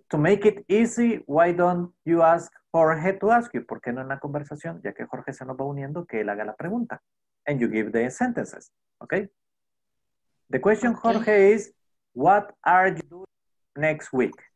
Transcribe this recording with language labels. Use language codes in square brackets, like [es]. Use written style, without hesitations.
[en] To make it easy, why don't you ask Jorge to ask you? [es] ¿Por qué no en la conversación? Ya que Jorge se nos va uniendo, que él haga la pregunta. [en] And you give the sentences. Okay? The question, okay. Jorge, is what are you doing next week?